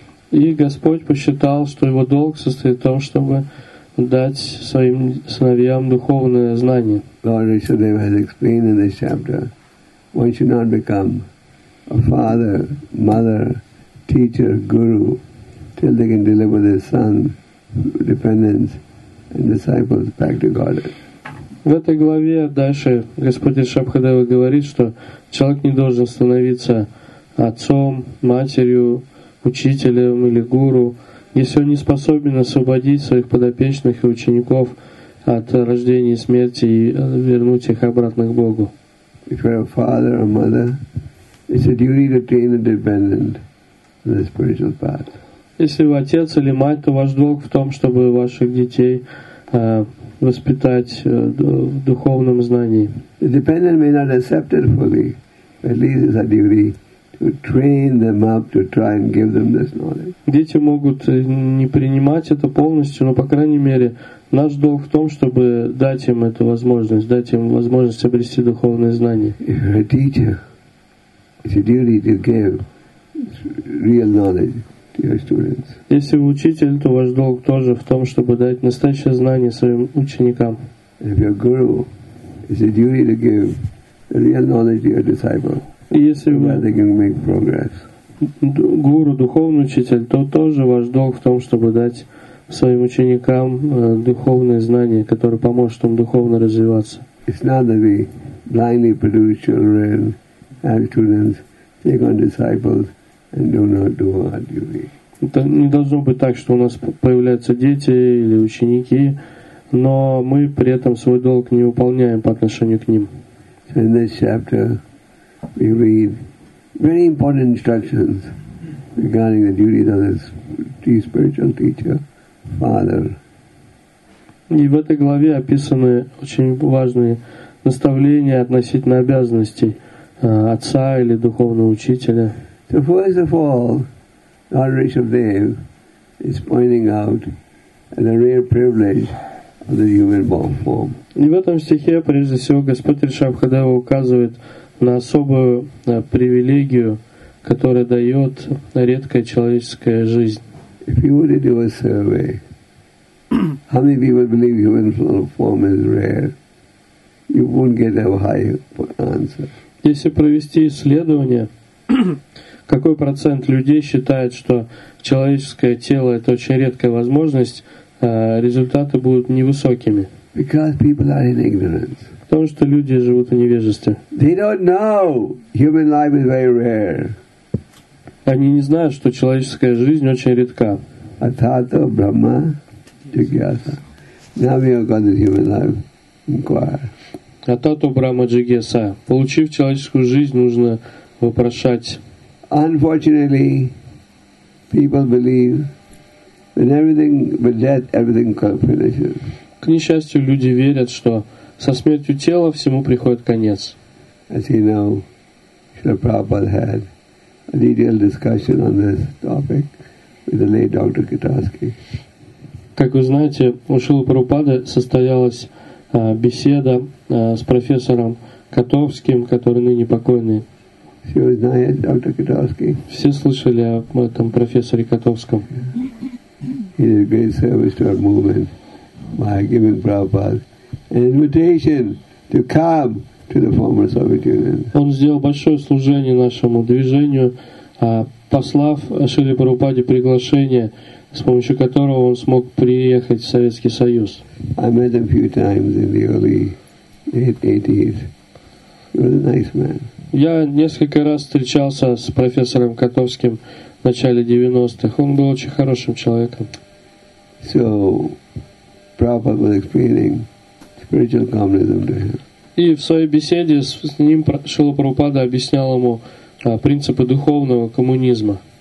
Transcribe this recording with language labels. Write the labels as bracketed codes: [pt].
[ru] И Господь посчитал, что его долг состоит в том, чтобы дать своим сыновьям духовное знание. [en] Lord Rishabhadeva has explained in this chapter, one should not become a father, mother, teacher, guru, till they can deliver their son, dependents, and disciples back to God. [ru] В этой главе дальше Господь Ришабхадева говорит, что человек не должен становиться отцом, матерью, учителем или гуру, если он не способен освободить своих подопечных и учеников от рождения и смерти и вернуть их обратно к Богу. [en] If you're a father or mother, it's a duty to train a dependent on the spiritual path. [ru] Если вы отец или мать, то ваш долг в том, чтобы ваших детей воспитать в духовном знании. [en] The dependent may not accept it fully, but at least it's a duty. Train them up to try and give them this knowledge. [ru] Дети могут не принимать это полностью, но по крайней мере наш долг в том, чтобы дать им эту возможность, дать им возможность обрести духовные знания. [en] If you're a teacher, it's your duty to give real knowledge to your students. [ru] Если вы учитель, то ваш долг тоже в том, чтобы дать настоящее знание своим ученикам. [en] If you're a guru, it's your duty to give real knowledge to your disciple. [ru] Если вы гуру, духовный учитель, то тоже ваш долг в том, чтобы дать своим ученикам духовное знание, которое поможет им духовно развиваться. [en] It's not that we blindly produce children and students, take on disciples and do not do our duty. [ru] Это не должно быть так, что у нас появляются дети или ученики, но мы при этом свой долг не выполняем по отношению к ним. [en] So in this chapter, we read very important instructions regarding the duties of this spiritual teacher, father. [ru] И в этой главе описаны очень важные наставления относительно обязанностей отца или духовного учителя. [en] So first of all, Lord Rishabhadeva is pointing out the real privilege of the human form. [ru] И в этом стихе, прежде всего, Господь Ришабхадева указывает на особую привилегию, которая дает редкая человеческая жизнь. [en] If you were to do a survey, how many people believe human form is rare? You won't get a high answer. [ru] Если провести исследование, какой процент людей считает, что человеческое тело — это очень редкая возможность, результаты будут невысокими. [en] Because people are in ignorance. [ru] Потому что люди живут в невежестве. [en] They don't know human life is very rare. [ru] Они не знают, что человеческая жизнь очень редка. [sa] Атхато брахма джигьяса. [en] Now we have got the human life. Inquire. [sa] Атхато брахма джигьяса. [ru] Получив человеческую жизнь, нужно вопрошать. [en] Unfortunately, people believe when everything with death, everything finishes. [ru] К несчастью, люди верят, что со смертью тела всему приходит конец. [en] As you know, Srila Prabhupada had a detailed discussion on this topic with the late Dr. Katarsky. [ru] Как вы знаете, у Шрилы Прабхупады состоялась беседа с профессором Котовским, который ныне покойный. Все знают Dr. Katarsky. Все слышали об этом профессоре Котовском. [en] He did a great service to our movement by giving Prabhupada an invitation to come to the former Soviet Union. [ru] Он сделал большое служение нашему движению, послав Шриле Прабхупаде приглашение, с помощью которого он смог приехать в Советский Союз. [en] I met him a few times in the early 80s. He was a nice man. [ru] Я несколько раз встречался с профессором Котовским в начале 90-х. Он был очень хорошим человеком. [en] So, Prabhupada was explaining spiritual communism to him. [ru] И в своей беседе с ним Шрила Прабхупада объяснял ему принципы духовного коммунизма.